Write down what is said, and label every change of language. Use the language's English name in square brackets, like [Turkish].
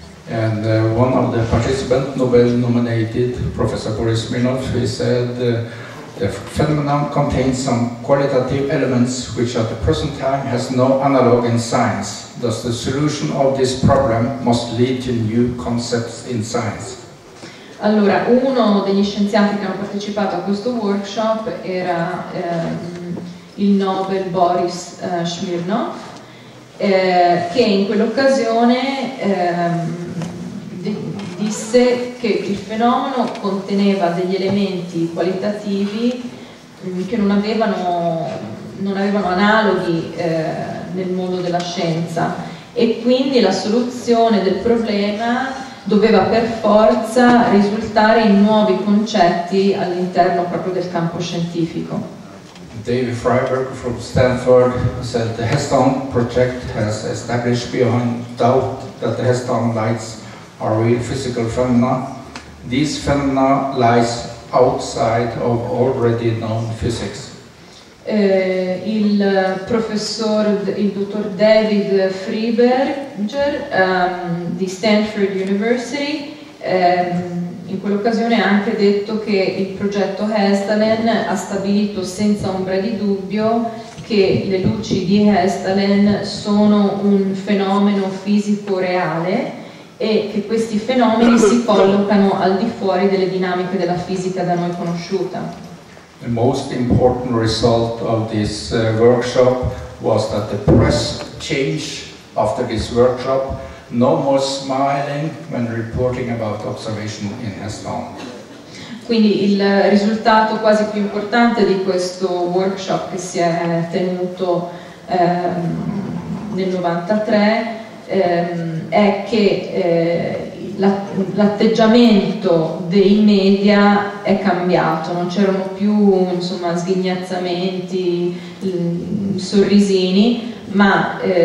[English] And one of the participants, Nobel nominated Professor Boris Minov, he said the phenomenon contains some qualitative elements which at the present time has no analog in science. Thus the solution of this problem must lead to new concepts in science. [Italian] Allora, uno degli scienziati che hanno partecipato a questo workshop era il Nobel Boris Smirnov, che in quell'occasione disse che il fenomeno conteneva degli elementi qualitativi che non avevano analoghi nel mondo della scienza, e quindi la soluzione del problema doveva per forza risultare in nuovi concetti all'interno proprio del campo scientifico. [English] David Freiberg from Stanford said the Heston project has established beyond doubt that the Heston lights are real physical phenomena. These phenomena lies outside of already known physics. [Italian] Il professor, il dottor David Freiberger di Stanford University, in quell'occasione ha anche detto che il progetto Heston ha stabilito senza ombra di dubbio che le luci di Heston sono un fenomeno fisico reale e che questi fenomeni si collocano al di fuori delle dinamiche della fisica da noi conosciuta. [English] The most important result of this workshop was that the press changed after this workshop. No more smiling when reporting about observation in Heston. [Italian] Quindi il risultato quasi più importante di questo workshop che si è tenuto nel 93 è che l'atteggiamento dei media è cambiato, non c'erano più insomma sghignazzamenti, sorrisini, ma